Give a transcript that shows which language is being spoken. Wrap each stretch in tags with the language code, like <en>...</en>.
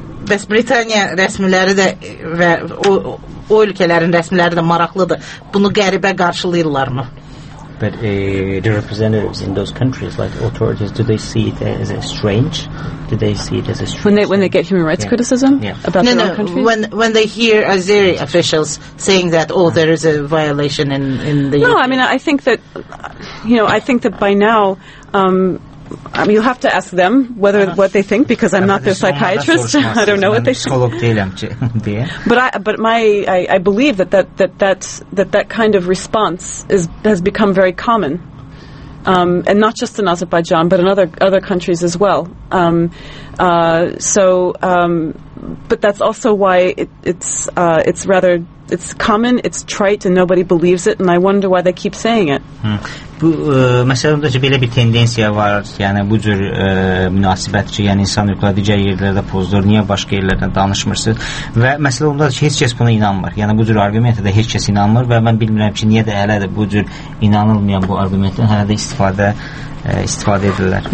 <az>Bəs Britaniya rəsmiləri də və o ölkələrin rəsmiləri də maraqlıdır. Bunu qəribə qarşılayırlarmı?</az> <en>But the representatives in those countries, like authorities, do they see it as a strange? Do they see it as a strange? When they get human rights criticism about their own countries? When they hear Azeri officials saying that, oh, there is a violation in the... No, I mean, I think that, you know, I think that by now... I mean, you'll have to ask them whether what they think, because I'm not their psychiatrist. I don't know what they think. But I believe that kind of response has become very common, and not just in Azerbaijan, but in other countries as well. So But that's also why it's rather it's common, it's trite, and nobody believes it. And I wonder why they keep saying it.</en> <az>Bu məsələn də belə bir tendensiya var. Yəni bu cür münasibət ki, yəni insan yuxuda digər yerlərdə pozulur, niyə başqa yerlərdə danışmırsınız? Və məsələ ondadır ki, heç kəs buna inanmır. Yəni bu cür arqumentə də heç kəs inanmır və mən bilmirəm ki, niyə də hələ də bu cür inanılmayan bu arqumentdən hələ də istifadə edirlər.</az>